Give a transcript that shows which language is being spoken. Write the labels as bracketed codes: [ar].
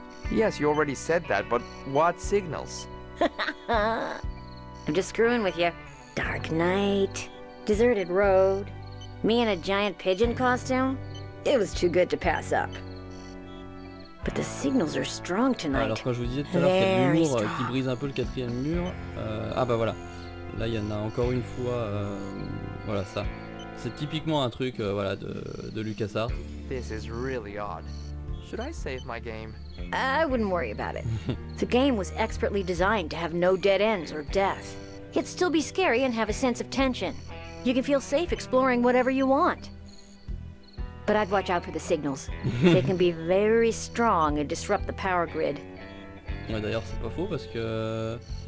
[en] Yes, you already said that, but what signals? I'm just screwing with you. Dark night. deserted road, me in a giant pigeon costume. It was too good to pass up. But the signals are strong tonight. [fr] Alors quand je vous disais tout à l'heure qu'il y a de l'humour qui brise un peu le quatrième mur, ah bah voilà, là il y en a encore une fois, voilà ça. C'est typiquement un truc voilà de LucasArts. [en] This is really odd. Should I save my game? I wouldn't worry about it. The game was expertly designed to have no dead ends or death. Yet still be scary and have a sense of tension. You can feel safe exploring whatever you want. But I'd watch out for the signals. They can be very strong and disrupt the power grid. [fr] Ouais, d'ailleurs, c'est pas faux parce que.